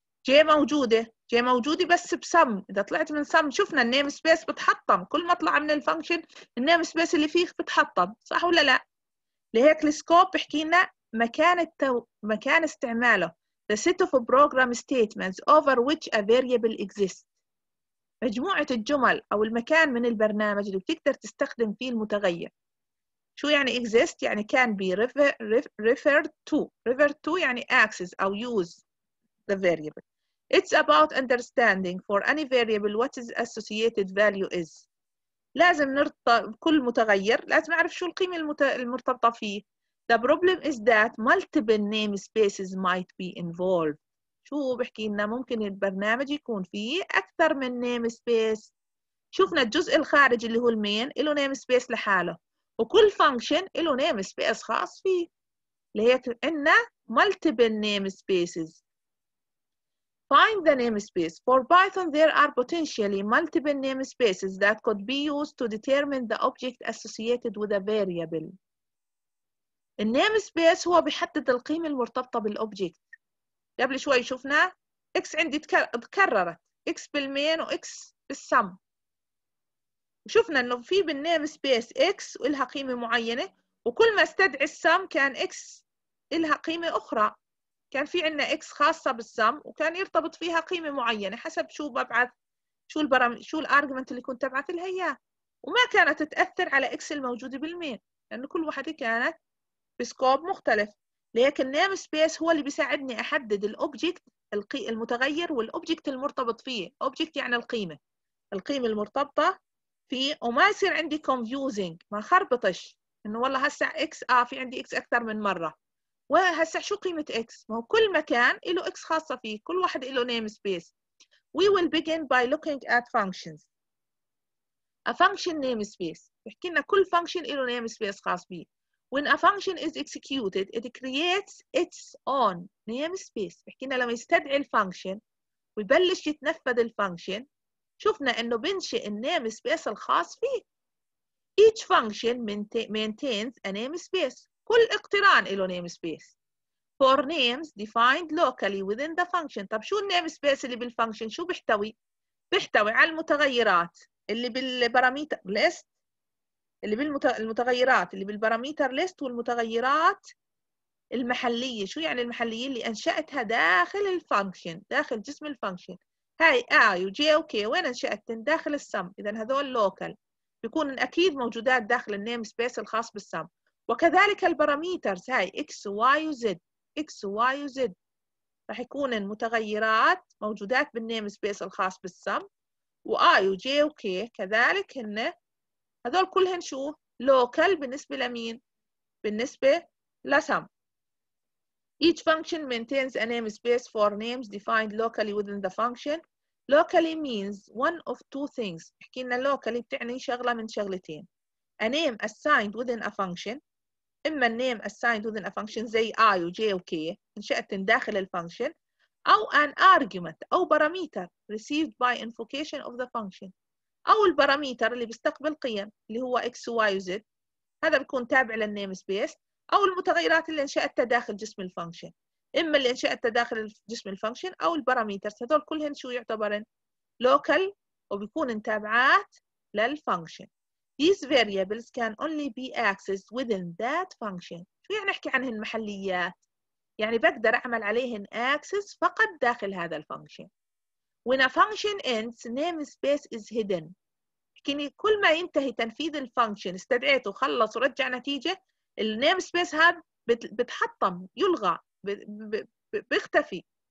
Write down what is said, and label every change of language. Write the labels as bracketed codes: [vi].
[ar] J موجودة، J موجودة بس بسم، إذا طلعت من سم شفنا النيم سبيس بتحطم، كل ما طلع من الفانكشن النيم سبيس اللي فيه بتحطم، صح ولا لا؟ لهيك السكوب بحكي لنا مكان مكان استعماله، [en] the set of program statements over which a variable exists، [ar] مجموعة الجمل أو المكان من البرنامج اللي بتقدر تستخدم فيه المتغير. شو يعني exist؟ يعني [en] can be referred to [ar] يعني access أو use. [en] The variable. It's about understanding for any variable what its associated value is. [ar] لازم نرتب كل متغير لازم أعرف شو القيمة المرتبطة فيه. [en] The problem is that multiple namespaces might be involved. [ar] شو بحكي لنا ممكن البرنامج يكون فيه أكثر من namespace. شوفنا الجزء الخارجي اللي هو المين له namespace لحاله وكل function له namespace خاص فيه. لهيك عندنا multiple namespaces. [en] Find the namespace. For Python, there are potentially multiple namespaces that could be used to determine the object associated with a variable. The namespace [ar] هو بيحدد القيمة المرتبطة بالobject. قبل شوي شفنا x عندي تكررت x بالمين و x بالسم. شفنا إنه في بالnamespace x إلها قيمة معينة وكل ما استدعي السم كان x إلها قيمة أخرى. كان في عندنا x خاصه بالسم وكان يرتبط فيها قيمه معينه حسب شو ببعث شو شو الارجمنت اللي كنت ابعث لها اياه وما كانت تاثر على x الموجوده بالمين لانه كل وحده كانت بسكوب مختلف. لكن النيم سبيس هو اللي بيساعدني احدد الاوبجكت المتغير والاوبجكت المرتبط فيه. اوبجكت يعني القيمه القيمه المرتبطه فيه وما يصير عندي confusing ما خربطش انه والله هسع x في عندي x اكثر من مره وهسه شو قيمة X؟ ما هو كل مكان له X خاصة فيه، كل واحد له namespace. [en] We will begin by looking at functions. A function namespace. [ar] بحكي لنا كل function له namespace خاص فيه. [en] When a function is executed, it creates its own namespace. [ar] بحكي لنا لما يستدعي الفانكشن ويبلش يتنفذ الفانكشن شفنا إنه بنشئ النيمسبيس الخاص فيه. [en] Each function maintains a namespace. [ar] كل اقتران له namespace. [en] For names defined locally within the function. [ar] طب شو namespace اللي بالfunction شو بيحتوي؟ بيحتوي على المتغيرات اللي بالباراميتر ليست اللي بالمتغيرات اللي بالباراميتر ليست والمتغيرات المحلية. شو يعني المحلية؟ اللي أنشأتها داخل الفانكشن داخل جسم الفانكشن. هاي I و J و K وين أنشأتهم؟ داخل السم. إذا هذول local بيكون أكيد موجودات داخل namespace الخاص بالسم. وكذلك البراميترز هاي x و y و z x و y و z راح يكون المتغيرات موجودات بالنيم سبيس الخاص بالسم و i و j و k كذلك هن هذول كلهن شو local بالنسبه لمين بالنسبه لسم. [en] Each function maintains a namespace for names defined locally within the function. Locally means one of two things. [ar] بحكي لنا locally بتعني شغله من شغلتين. [en] A name assigned within a function [ar] إما النيم [en] assigned within a function [ar] زي i و j و k انشأت داخل الفانكشن أو [en] an argument [ar] أو [en] parameter received by invocation of the function [ar] أو البراميتر اللي بيستقبل قيم اللي هو x و y و z هذا بيكون تابع للنيم سبيس أو المتغيرات اللي انشأتها داخل جسم الفانكشن إما اللي انشأتها داخل جسم الفانكشن أو البراميترز هذول كلهن شو يعتبرن local وبيكون تابعات للفانكشن. [en] These variables can only be accessed within that function. [ar] شو يعني نحكي عنهن محليات؟ يعني بقدر أعمل عليهن access فقط داخل هذا الفانكشن. [en] When a function ends, namespace is hidden. [ar] كني كل ما ينتهي تنفيذ الفانكشن استدعيته خلص ورجع نتيجة النيم سبيس هذا بتحطم يلغى بيختفي.